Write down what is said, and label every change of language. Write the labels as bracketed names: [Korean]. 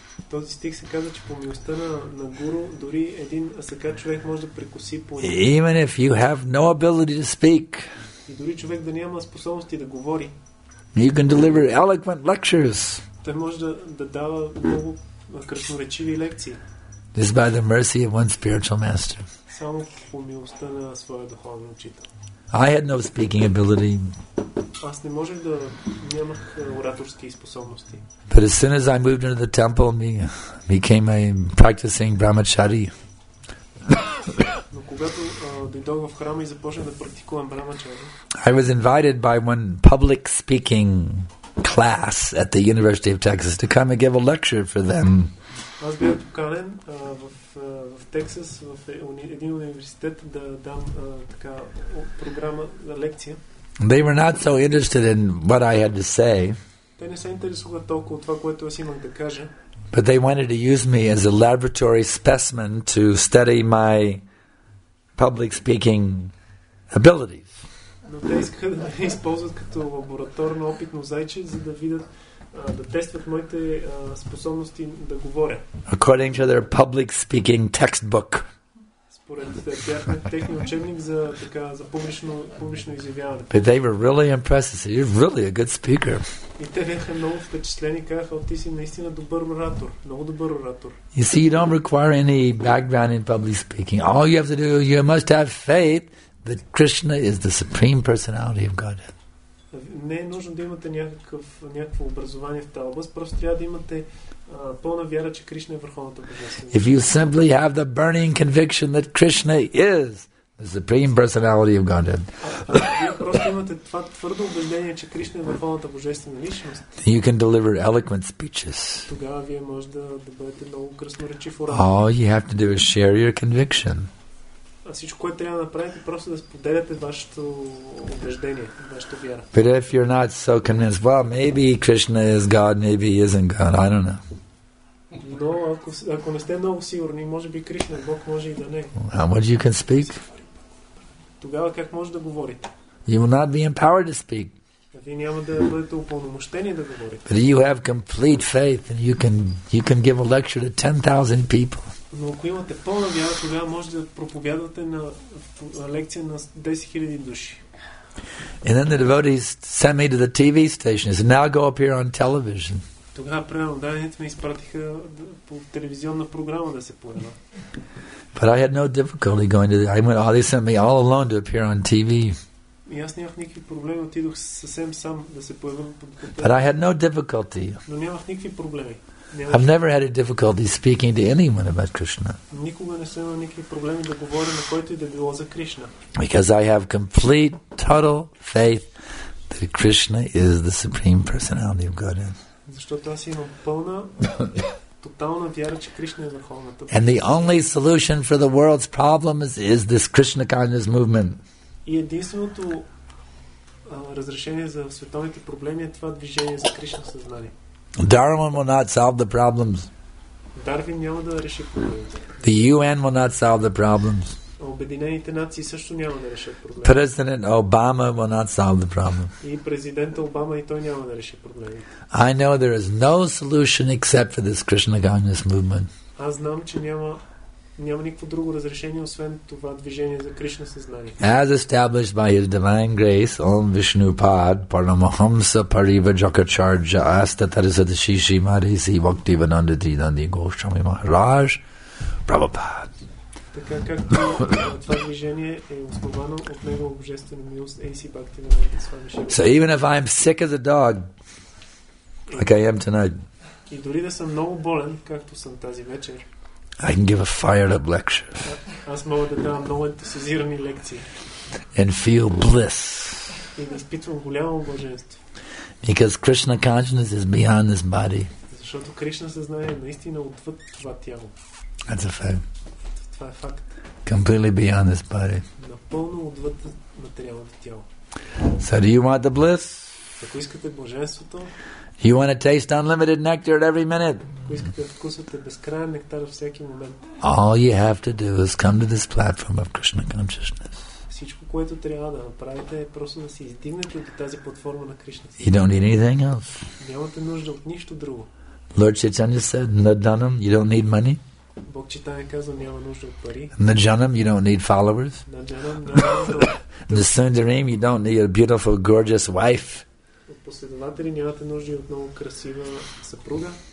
[Bulgarian] Този стих се казва, че по милостта на гуру дори един сакат човек може да прекоси по него. [English] Even if you have no ability to speak, [Bulgarian] и дори човек да няма способности да говори, [English] you can deliver eloquent lectures. [Bulgarian] Той може да дава много красноречиви лекции. [English] This by the mercy of one spiritual master. [Bulgarian] Само по милостта на своя духовен учител. [English] I had no speaking ability. [Bulgarian] Аз не можех да нямах ораторски способности. [English] But as soon as I moved into the temple, I became a practicing brahmachari. [Bulgarian] Но когато дойдох в храма и започнах да практикувам брамачари. [English] I was invited by one public speaking class at the University of Texas to come and give a lecture for them. [Bulgarian] Аз бях поканен в Тексас в един университет да дам така програма за лекция. [English] They were not so interested in what I had to say. [Bulgarian] Те не се интересуваха толкова от това, което аз имах да кажа. [English] But they wanted to use me as a laboratory specimen to study my public speaking abilities. [Bulgarian] Но те искаха да ме използват като лабораторно опитно зайче, за да видят да тестват моите способности да говоря. [English] According to their public speaking textbook. [Bulgarian] Според техния учебник за така за публично изявяване. [English] But they were really impressed. So you're really a good speaker. [Bulgarian] И те бяха много впечатлени, казаха, ти си наистина добър оратор, много добър оратор. [English] You see, you don't require any background in public speaking. All you have to do, you must have faith that Krishna is the supreme personality of Godhead. [Bulgarian] Не е нужно да имате някакво образование в тази област, просто трябва да имате пълна вяра, че Кришна е върховната божественост. [English] If you simply have the burning conviction that Krishna is the supreme personality of Godhead. [Bulgarian] Вие просто имате това твърдо убеждение, че Кришна е върховната божествена личност. [English] Then you can deliver eloquent speeches. [Bulgarian] Тогава вие може да бъдете много красноречив оратор. [English] All you have to do is share your conviction. [Bulgarian] Всичко, което трябва да направите, просто да споделяте вашето убеждение, вашата вяра. [English] But if you're not so convinced, well, maybe Krishna is God, maybe he isn't God, I don't know. [Bulgarian] Но ако не сте много сигурни, може би Кришна е Бог, може и да не. [English] How much you can speak? [Bulgarian] Тогава как може да говорите? [English] You will not be empowered to speak. [Bulgarian] Вие няма да бъдете упълномощени да говорите. [English] But you have complete faith and you can give a lecture to 10,000 people. [Bulgarian] Но ако имате пълна вяра, тогава може да проповядвате на лекция на 10 000 души. [English] And then the devotees sent me to the TV station. He said, now go up here on television. [Bulgarian] Тогава преданите ме изпратиха по телевизионна програма да се появя. [English] But I had no difficulty going to the... They sent me all alone to appear on TV. [Bulgarian] И аз нямах никакви проблеми, отидох съвсем сам да се появя. [English] But I had no difficulty. [Bulgarian] Но нямах никакви проблеми. [English] I've never had a difficulty speaking to anyone about Krishna. [Bulgarian] Никога не съм имал никакви проблеми да говоря на който и да било за Кришна. [English] Because I have complete, total faith that Krishna is the supreme personality of Godhead. [Bulgarian] Защото аз имам пълна, тотална вяра, че Кришна е върховната. [English] And the only solution for the world's problems is this Krishna consciousness movement. [Bulgarian] И единственото разрешение за световните проблеми е това движение за Кришна съзнание. [English] Darwin will not solve the problems. [Bulgarian] Дарвин няма да реши проблемите. [English] The UN will not solve the problems. [Bulgarian] Обединените нации също няма да решат проблемите. [English] President Obama will not solve the problem. [Bulgarian] И президент Обама и той няма да реши проблемите. [English] I know there is no solution except for this Krishna consciousness movement. [Bulgarian] Аз знам, че няма никакво друго разрешение освен това движение за Кришна съзнание. [English] As established by His Divine Grace, Om Vishnu Pad Paramahamsa Pariva Jakacharja Astatarasat Shishi Marisi Vakti Vananda Tridandi Goswami Maharaj Prabhupada. [Bulgarian] Така както това движение е основано от Него Божествена милост AC Bhakti Vananda [English] Swami. So even if I'm sick as a dog, like I am tonight. [Bulgarian] И дори да съм много болен, както съм тази вечер, [English] I can give a fired up lecture. [Bulgarian] Аз мога да дам много ентусиазирани лекции. [English] And feel bliss. [Bulgarian] И да изпитвам голямо блаженство. [English] Because Krishna consciousness is beyond this body. [Bulgarian] Защото Кришна съзнание наистина отвъд това тяло. [English] That's a fact. [Bulgarian] Това е факт. [English] Completely beyond this body. [Bulgarian] Напълно отвъд материалното тяло. [English] So do you want the bliss? [Bulgarian] Ако искате божеството, [English] you want to taste unlimited nectar at every minute. [Bulgarian] Ако искате да вкусвате безкраен нектар във всеки момент. [English] All you have to do is come to this platform of Krishna consciousness. [Bulgarian] Всичко, което трябва да направите, е просто да се издигнете до тази платформа на Кришна. [English] You don't need anything else. [Bulgarian] Нямате нужда от нищо друго. [English] Lord Chaitanya said, Nadanam, you don't need money. [Bulgarian] Бог Читане казва, няма нужда от пари. [English] Nadanam, you don't need followers. [Bulgarian] Nadanam, няма нужда от... [English] Nisundarim, you don't need a beautiful, gorgeous wife. [Bulgarian] От последователи нямате нужда от много красива съпруга.